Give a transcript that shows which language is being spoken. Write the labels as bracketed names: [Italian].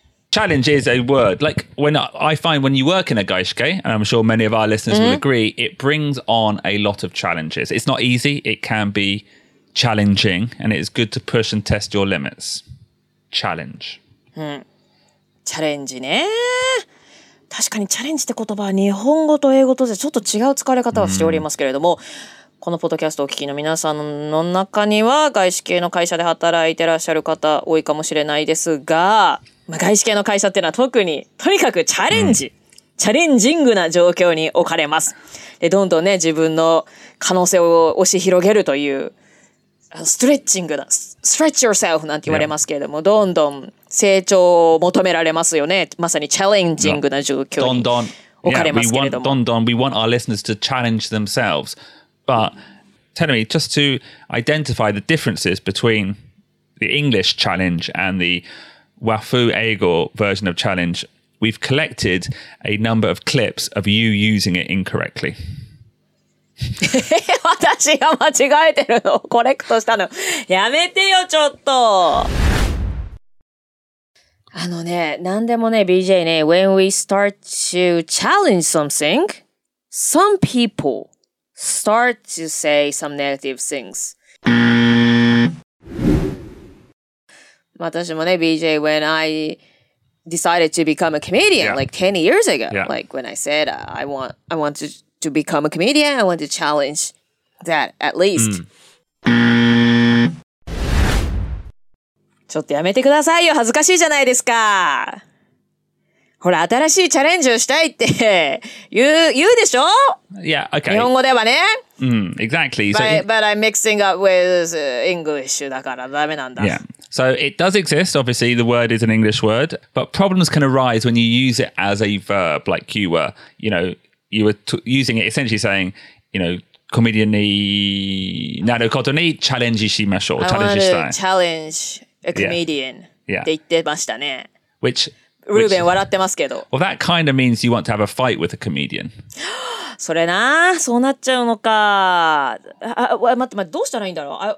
[English] Challenge is a word, like when I find when you work in a gaishke, and I'm sure many of our listeners will agree, it brings on a lot of challenges. It's not easy, it can be challenging, and it is good to push and test your limits. Challenge. Challenge, ne? [Japanese] 確かにチャレンジって言葉は日本語と英語とでちょっと違う使われ方をしておりますけれども、このポッドキャストをお聞きの皆さんの中には外資系の会社で働いてらっしゃる方多いかもしれないですが、まあ、外資系の会社っていうのは特にとにかくチャレンジ、チャレンジングな状況に置かれます。で、どんどんね、自分の可能性を押し広げるという、ストレッチングな、 [English] stretch yourself [Japanese] なんて言われますけれども、どんどん成長を求められますよね。まさにチャレンジングな状況に置かれますけれども。 [English] We want our listeners to challenge themselves. But tell me, just to identify the differences between the English challenge and the Wafu Eigo version of challenge, we've collected a number of clips of you using it incorrectly. [Japanese] 私が間違えてるの、コレクトしたの。やめてよ、ちょっと。あのね、なんでもね、 [English] BJ ね、when we start to challenge something, some people... start to say some negative things. [Japanese] 私もね、 [English] BJ, when I decided to become a comedian, like 10 years ago, like when I said I want to become a comedian, I want to challenge that at least. [Japanese] ちょっとやめてくださいよ、恥ずかしいじゃないですか。ほら、新しいチャレンジをしたいって言うでしょ? [English] Yeah, okay. [Japanese] 日本語ではね。 [English] Exactly. But I'm mixing up with English, [Japanese] だからダメなんだ。 [English] Yeah. So it does exist, obviously, the word is an English word, but problems can arise when you use it as a verb, like you were, you know, you were using it essentially saying, you know, [Japanese] コメディアンになることにチャレンジしましょう。 [English] I want to challenge a comedian. Yeah. [Japanese] って言ってましたね。 [English] Which... [Japanese] ルーベン笑ってますけど。 [English] Well, that kind of means you want to have a fight with a comedian. [Japanese] それな、そうなっちゃうのか。待って、どうしたらいいんだろう。